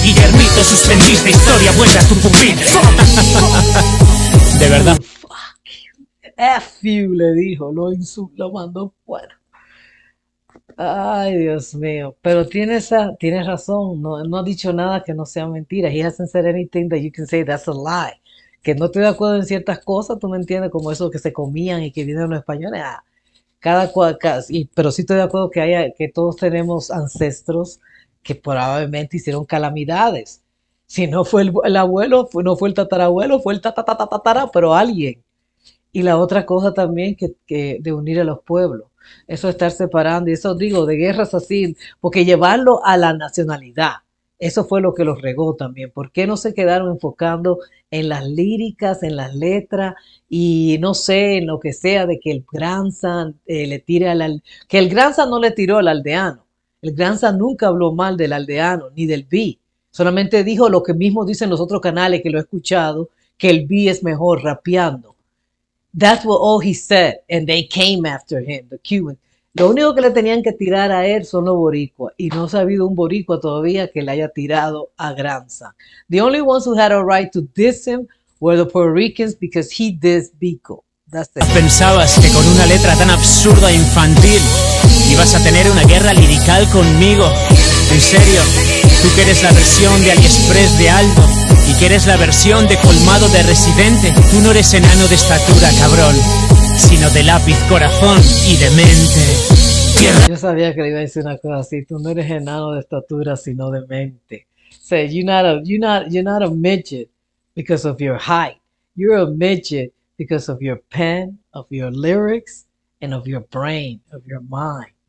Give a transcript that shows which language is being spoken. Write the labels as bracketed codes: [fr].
[es] Guillermito, suspendiste historia, vuelve a tu pupila. De verdad. F you, le dijo, lo insultó, lo mandó fuera. Ay, Dios mío. Pero tienes razón, no ha dicho nada que no sea mentira. [en] He hasn't said anything that you can say that's a lie. [es] Que no estoy de acuerdo en ciertas cosas, tú me entiendes, como eso que se comían y que vienen los españoles. Ah, pero sí estoy de acuerdo que haya, que todos tenemos ancestros que probablemente hicieron calamidades. Si no fue el abuelo, no fue el tatarabuelo, fue el tatatatatara, pero alguien. Y la otra cosa también que de unir a los pueblos, eso de estar separando, y eso digo, de guerras así, porque llevarlo a la nacionalidad, eso fue lo que los regó también. ¿Por qué no se quedaron enfocando en las líricas, en las letras, y no sé, en lo que sea, de que el granza le tire al aldeano? Que el granza no le tiró al aldeano, el granza nunca habló mal del aldeano, ni del B, solamente dijo lo que mismo dicen los otros canales que lo he escuchado, que el B es mejor rapeando. [en] That's what all he said, and they came after him, the Cubans. [es] Lo único que le tenían que tirar a él son los boricuas, y no se ha habido un boricua todavía que le haya tirado a granza. [en] The only ones who had a right to diss him were the Puerto Ricans because he dissed Vico. That's it. [es] ¿Pensabas que con una letra tan absurda e infantil ibas a tener una guerra lirical conmigo? ¿En serio? ¿Tú que eres la versión de AliExpress de Aldo? Y que eres la versión de colmado de Residente. Tú no eres enano de estatura, cabrón, sino de lápiz, corazón y de mente. Yo sabía que le iba a decir una cosa así. Tú no eres enano de estatura, sino de mente. [en] Say, you're not a midget because of your height. You're a midget because of your pen, of your lyrics, and of your brain, of your mind.